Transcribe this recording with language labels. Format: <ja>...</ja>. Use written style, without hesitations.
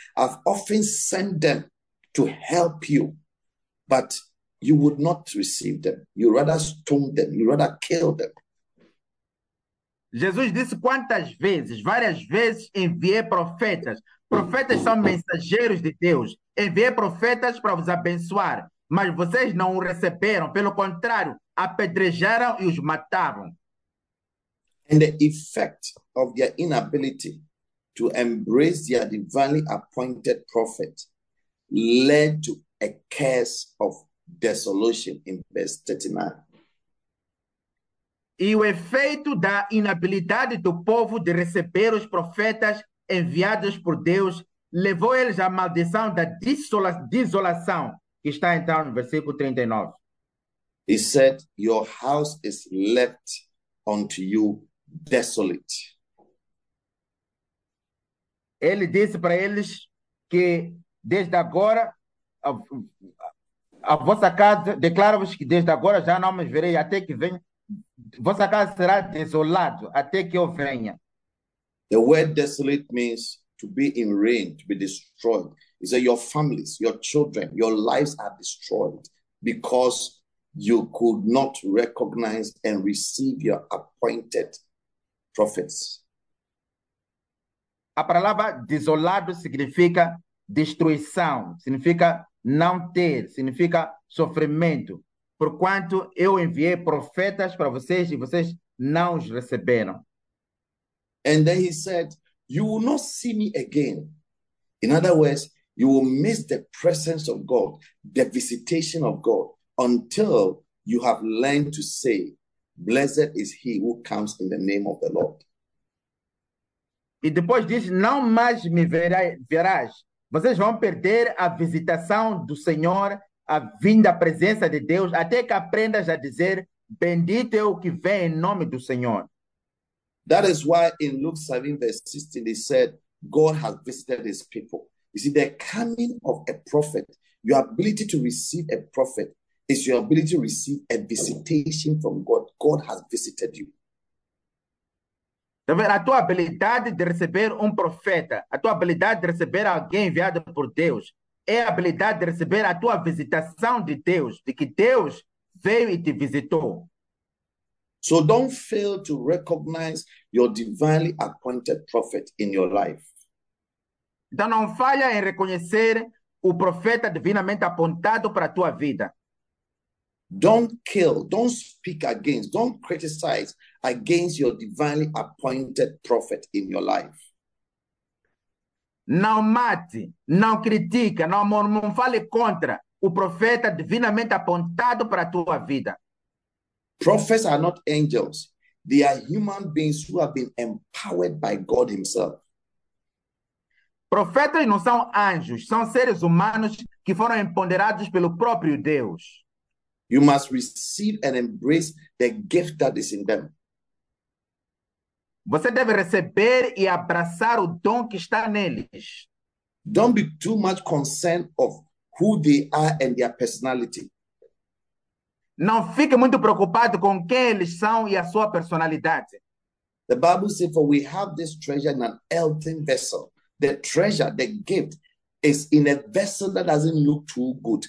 <en>I've often sent them to help you, but you would not receive them. You rather stone them, you rather kill them.</en> <pt>Jesus disse quantas vezes, várias vezes, enviei profetas. Profetas são mensageiros de Deus. Enviei profetas para vos abençoar, mas vocês não o receberam. Pelo contrário, apedrejaram e os matavam.</pt> <en>And the effect of their inability to embrace their divinely appointed prophet led to a curse of desolation in verse 39.</en> <pt>E o efeito da inabilidade do povo de receber os profetas enviados por Deus levou eles à maldição da desolação, que está então no versículo 39.</pt> <en>He said, Your house is left unto you. Desolate.</en> <pt>Ele disse para eles que desde agora a vossa casa, declaro-vos que desde agora já não me verei até que venha. Vossa casa será desolada até que eu venha.</pt> <en>The word desolate means to be in ruin, to be destroyed. It's that your families, your children, your lives are destroyed because you could not recognize and receive your appointed. Prophets.</en> <pt>A palavra desolado significa destruição, significa não ter, significa sofrimento. Porquanto eu enviei profetas para vocês e vocês não os receberam.</pt> <en>And then he said, You will not see me again. In other words, you will miss the presence of God, the visitation of God, until you have learned to say, Blessed is he who comes in the name of the Lord.</en> <pt>E depois diz: Não mais me verás. Vocês vão perder a visitação do Senhor a vinda presença de Deus, até que aprendas a dizer: Bendito é o que vem em nome do Senhor.</pt> <en>That is why in Luke 7, verse 16, they said, God has visited his people. You see, the coming of a prophet, your ability to receive a prophet is your ability to receive a visitation from God. God has visited you.</en> <pt>A tua habilidade de receber profeta, a tua habilidade de receber alguém enviado por Deus, é a habilidade de receber a tua visitação de Deus, de que Deus veio e te visitou.</pt> <en>So don't fail to recognize your divinely appointed prophet in your life.</en> <pt>Então não falha em reconhecer o profeta divinamente apontado para a tua vida.</pt> <en>Don't kill, don't speak against, don't criticize against your divinely appointed prophet in your life.</en> <pt>Não mate, não critica, não fale contra o profeta divinamente apontado para a tua vida.</pt> <en>Prophets are not angels. They are human beings who have been empowered by God Himself.</en> <pt>Profetas não são anjos, são seres humanos que foram empoderados pelo próprio Deus.</pt> <en>You must receive and embrace the gift that is in them.</en> <pt>Você deve receber e abraçar o dom que está neles.</pt> <en>Don't be too much concerned of who they are and their personality.</en> <pt>Não fique muito preocupado com quem eles são e a sua personalidade.</pt> <en>The Bible says, for we have this treasure in an earthen vessel. The treasure, the gift, is in a vessel that doesn't look too good.</en>